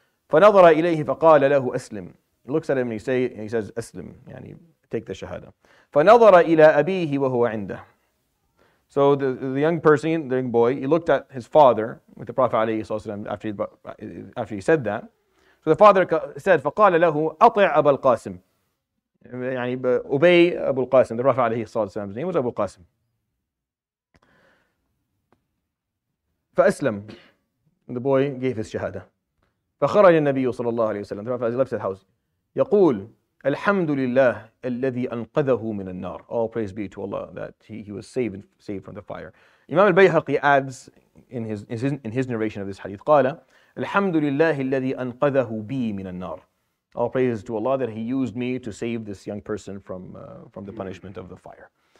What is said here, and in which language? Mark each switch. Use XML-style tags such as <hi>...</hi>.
<ar>فَنَظَرَ إِلَيْهِ فَقَالَ لَهُ أَسْلِمْ.</ar> <en>He looks at him and he says, أَسْلِمْ. Yani take the shahada.</en> <ar>فَنَظَرَ إِلَىٰ أَبِيهِ وَهُوَ عِنْدَهُ. So the young person, the young boy, he looked at his father with the Prophet alayhi sallam after he said that.</ar> <en>So the father said,</en> <ar>فَقَالَ لَهُ أَطِعْ أَبَا الْقَاسِمْ.</ar> <en>يعني, obey Abu al-Qasim. The Prophet alayhi sallam's name was Abu al-Qasim.</en> <ar>فَأَسْلَمْ.</ar> <en>The boy gave his shahada.</en> <ar>فَخَرَجَ النَّبِيُّ صَلَى اللَّهُ عَلَيْهِ وَسَلَّمْ.</ar> <en>The Prophet left his house.</en> <ar>يقول, الحمد لله الذي أنقذه من النار.</ar> <en>All praise be to Allah that he was saved from the fire. Imam al-Bayhaqi adds in his narration of this hadith,</en> <ar>قال الحمد لله الذي أنقذه بي من النار.</ar> <en>All praise to Allah that he used me to save this young person from the punishment of the fire.</en>